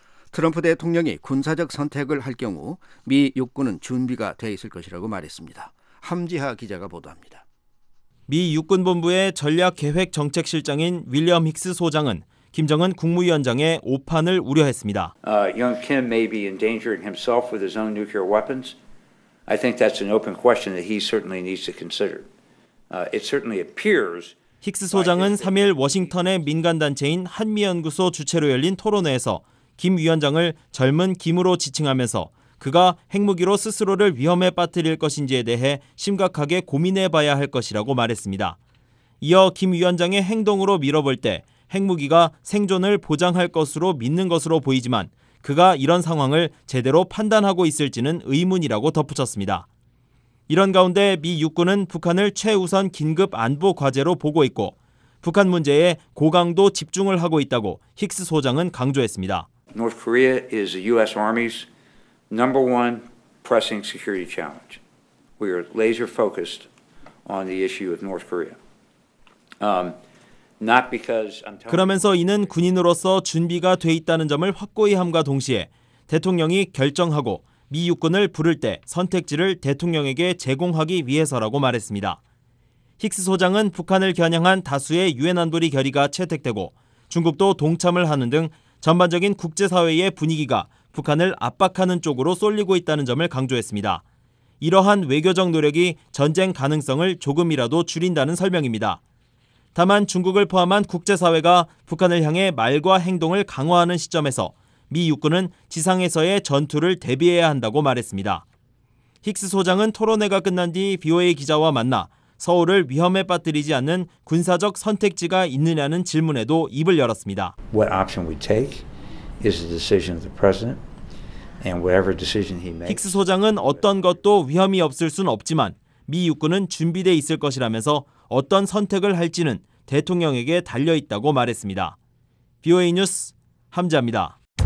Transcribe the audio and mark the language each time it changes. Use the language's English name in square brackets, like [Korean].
[Korean] 트럼프 대통령이 군사적 선택을 할 경우 미 육군은 준비가 돼 있을 것이라고 말했습니다. 함지하 기자가 보도합니다. 미 육군본부의 전략계획정책실장인 윌리엄 힉스 소장은 김정은 국무위원장의 오판을 우려했습니다. [English] Young Kim may be endangering himself with his own nuclear weapons. I think that's an open question that he certainly needs to consider. It certainly appears. [Korean] 힉스 소장은 3일 워싱턴의 민간단체인 한미연구소 주최로 열린 토론회에서 김 위원장을 젊은 김으로 지칭하면서 그가 핵무기로 스스로를 위험에 빠뜨릴 것인지에 대해 심각하게 고민해봐야 할 것이라고 말했습니다. 이어 김 위원장의 행동으로 미뤄볼 때 핵무기가 생존을 보장할 것으로 믿는 것으로 보이지만 그가 이런 상황을 제대로 판단하고 있을지는 의문이라고 덧붙였습니다. 이런 가운데 미 육군은 북한을 최우선 긴급 안보 과제로 보고 있고 북한 문제에 고강도 집중을 하고 있다고 힉스 소장은 강조했습니다. [English] North Korea is the U.S. Army's number one pressing security challenge. We are laser focused on the issue of North Korea. Not because I'm. [Korean] 그러면서 이는 군인으로서 준비가 돼 있다는 점을 확고히 함과 동시에 대통령이 결정하고 미 육군을 부를 때 선택지를 대통령에게 제공하기 위해서라고 말했습니다. 힉스 소장은 북한을 겨냥한 다수의 유엔 안보리 결의가 채택되고 중국도 동참을 하는 등 전반적인 국제사회의 분위기가 북한을 압박하는 쪽으로 쏠리고 있다는 점을 강조했습니다. 이러한 외교적 노력이 전쟁 가능성을 조금이라도 줄인다는 설명입니다. 다만 중국을 포함한 국제사회가 북한을 향해 말과 행동을 강화하는 시점에서 미 육군은 지상에서의 전투를 대비해야 한다고 말했습니다. 힉스 소장은 토론회가 끝난 뒤 VOA 기자와 만나 서울을 위험에 빠뜨리지 않는 군사적 선택지가 있느냐는 질문에도 입을 열었습니다. [English] What option we take is the decision of the president and whatever decision he makes. [Korean] 힉스 소장은 어떤 것도 위험이 없을 순 없지만 미 육군은 준비돼 있을 것이라면서 어떤 선택을 할지는 대통령에게 달려 있다고 말했습니다. VOA 뉴스 함지아입니다.